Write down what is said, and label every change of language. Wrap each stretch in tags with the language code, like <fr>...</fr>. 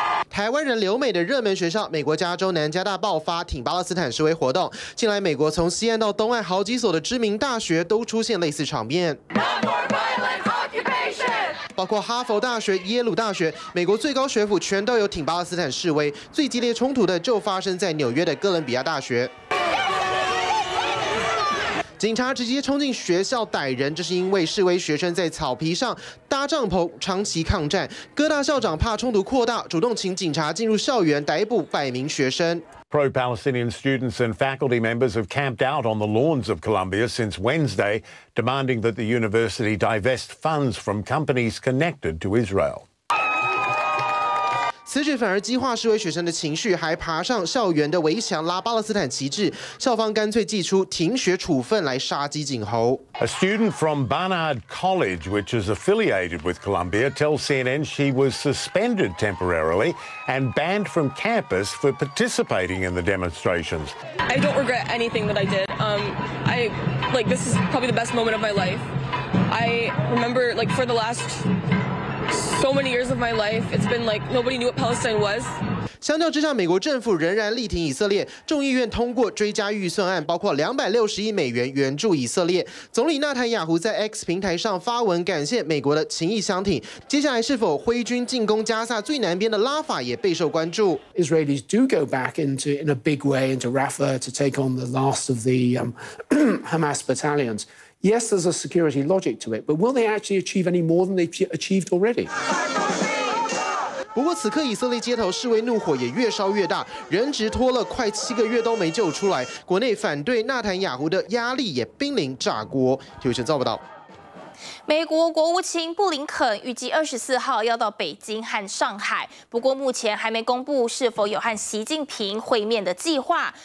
<zh>台湾人留美的热门学校美国加州南加大爆发挺巴勒斯坦示威活动，近来美国从西岸到东岸好几所的知名大学都出现类似场面，包括哈佛大学、耶鲁大学，美国最高学府全都有挺巴勒斯坦示威，最激烈冲突的就发生在纽约的哥伦比亚大学。警察直接冲进学校逮人，这是因为示威学生在草皮上搭帐篷长期抗战，各大校长怕冲突扩大，主动请警察进入校园逮捕百名学生。</zh> <en>Pro-Palestinian students and faculty members have camped out on the lawns of Columbia since Wednesday, demanding that the university divest funds from companies connected to Israel.</en> <zh>此举反而激化示威学生的情绪，还爬上校园的围墙拉巴勒斯坦旗帜，校方干脆祭出停学处分来杀鸡儆猴。</zh> <en>A student from Barnard College, which is affiliated with Columbia, tells CNN she was suspended temporarily and banned from campus for participating in the demonstrations. I don't regret anything that I did. This is probably the best moment of my life. I remember, like, for the last. So many years of my life, it's been like nobody knew what Palestine was.</en> <zh>相较之下，美国政府仍然力挺以色列，众议院通过追加预算案，包括260亿美元援助以色列。总理纳坦雅胡在 X 平台上发文感谢美国的情义相挺。接下来是否挥军进攻加萨最南边的拉法也备受关注。</zh> <en>Israelis do go back into in a big way into Rafah to take on the last of the Hamas battalions. Yes, there's a security logic to it, but will they actually achieve any more than they've achieved already?</en> <zh>不过此刻以色列街头示威怒火也越烧越大，人质拖了快7个月都没救出来，国内反对纳坦雅胡的压力也濒临炸锅。有权造不到。美国国务卿布林肯预计24号要到北京和上海，不过目前还没公布是否有和习近平会面的计划。</zh>